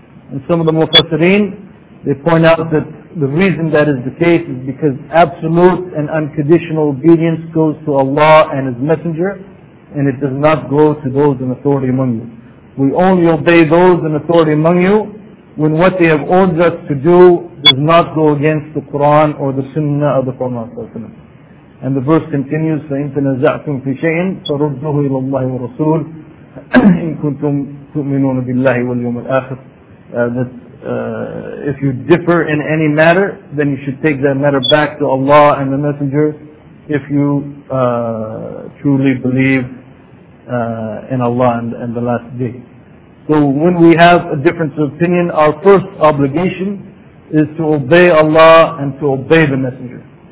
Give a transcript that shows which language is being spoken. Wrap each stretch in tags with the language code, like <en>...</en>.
<en>And some of the Mufassirin, they point out that the reason that is the case is because absolute and unconditional obedience goes to Allah and His Messenger, and it does not go to those in authority among you. We only obey those in authority among you when what they have ordered us to do does not go against the Quran or the Sunnah of the Prophet. And the verse continues,</en> <ar>فَإِنْ تَنَزَعْتُمْ فِي شَيْءٍ فَرُدُّهُ إِلَى اللَّهِ وَرَسُولِ إِن كُنْتُمْ تُؤْمِنُونَ بِاللَّهِ وَالْيَوْمِ الْآخِرِ.</ar> <en>If you differ in any matter, then you should take that matter back to Allah and the Messenger, if you truly believe in Allah and the last day. So when we have a difference of opinion, our first obligation is to obey Allah and to obey the Messenger.</en>